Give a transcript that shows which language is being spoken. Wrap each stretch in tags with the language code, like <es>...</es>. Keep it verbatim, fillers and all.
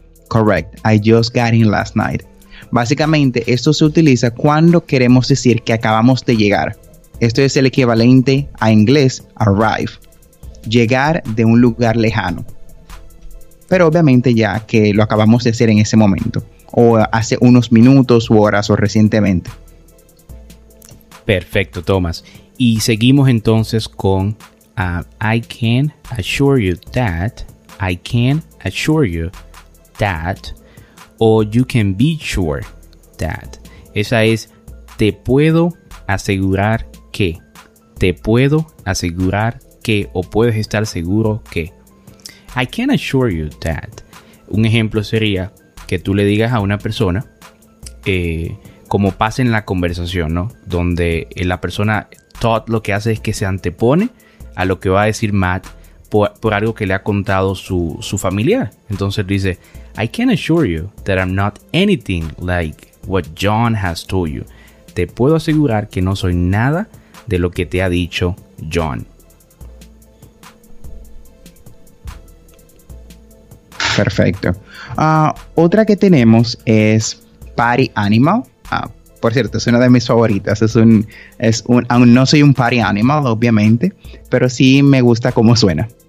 <en>Correct, I just got in last night.</en> <es>Básicamente, esto se utiliza cuando queremos decir que acabamos de llegar. Esto es el equivalente a inglés arrive, llegar de un lugar lejano. Pero obviamente ya que lo acabamos de hacer en ese momento, o hace unos minutos, u horas, o recientemente. Perfecto, Tomás. Y seguimos entonces con</es> <en>Uh, I can assure you that, I can assure you that, o you can be sure that.</en> <es>Esa es, te puedo asegurar que, te puedo asegurar que, o puedes estar seguro que.</es> <en>I can assure you that.</en> <es>Un ejemplo sería que tú le digas a una persona, eh, como pasa en la conversación, ¿no? Donde la persona, Todd lo que hace es que se antepone a lo que va a decir Matt por, por algo que le ha contado su, su familiar. Entonces dice,</es> <en>I can assure you that I'm not anything like what John has told you.</en> <es>Te puedo asegurar que no soy nada de lo que te ha dicho John. Perfecto. Uh, otra que tenemos es Party Animal. Uh, Por cierto, es una de mis favoritas. Es un, es un, aún no soy un party animal, obviamente, pero sí me gusta cómo suena.</es>